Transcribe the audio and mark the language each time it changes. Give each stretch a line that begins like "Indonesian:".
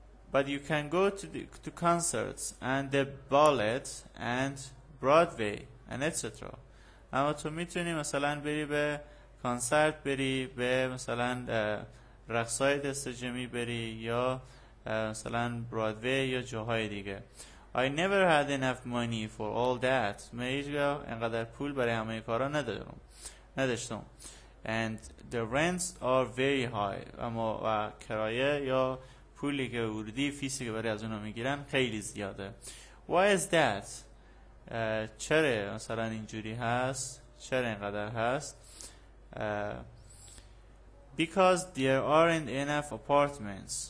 English: But you can go to to concerts and the ballet and Broadway and etc.
Persian: اما تو میتونی مثلا بری به کنسرت، بری به مثلا رقصای دستجمعی، بری یا مثلا برادوی یا جاهای دیگه.
English: I never had enough money for all that.
Persian: من اینقدر پول برای همه کارا نداشتم.
English: And the rents are very high.
Persian: اما و کرایه یا پولی که ورودی فیسی که برای از اونا میگیرن خیلی زیاده.
English: Why is that؟
Persian: چرا مثلا اینجوری هست؟ چرا اینقدر هست؟
English: Because there aren't enough apartments.